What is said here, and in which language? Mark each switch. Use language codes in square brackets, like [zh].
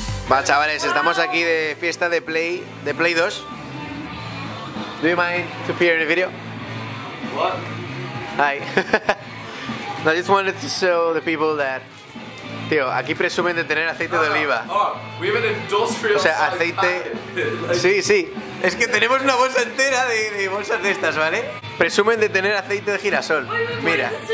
[es] Va, chavales, estamos aquí de fiesta de Play 2. [en] Do you mind to appear in the video? What? Hi. I just wanted to show the people that. [es] Tío, aquí presumen de tener aceite de oliva. [en] Oh, we have an industrial. [es] O sea, aceite. Sí, sí. Es que tenemos una bolsa entera de bolsas de estas, ¿vale? Presumen de tener aceite de girasol. Mira.